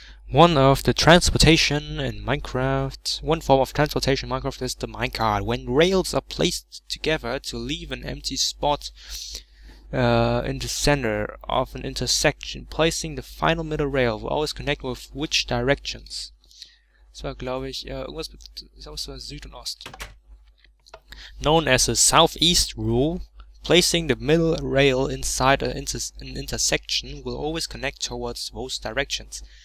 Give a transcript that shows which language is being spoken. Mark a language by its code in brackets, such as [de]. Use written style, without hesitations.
[en] One of the transportation in Minecraft. One form of transportation in Minecraft is the minecart. When rails are placed together to leave an empty spot in the center of an intersection, placing the final middle rail will always connect with which directions? [de] Das war, glaube ich, irgendwas mit, ich glaube, es war Süd und Ost. [en] Known as the Southeast Rule, placing the middle rail inside an intersection will always connect towards those directions.